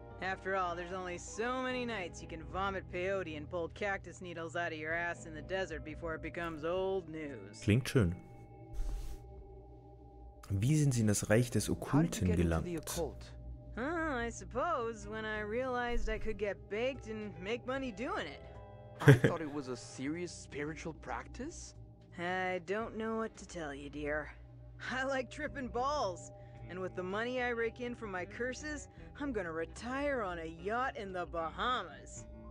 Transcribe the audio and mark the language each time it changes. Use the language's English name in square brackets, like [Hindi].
[English] After all, there's only so many nights you can vomit peyote and pull cactus needles out of your ass in the desert before it becomes old news. [German] Klingt schön. Wie sind Sie in das Reich des Okkulten gelangt? [English] I suppose when I realized I could get baked and make money doing it. I thought it was a serious spiritual practice? I don't know what to tell you, dear. I like tripping balls. And with the money I rake in from my curses, I'm gonna retire on a yacht in the Bahamas.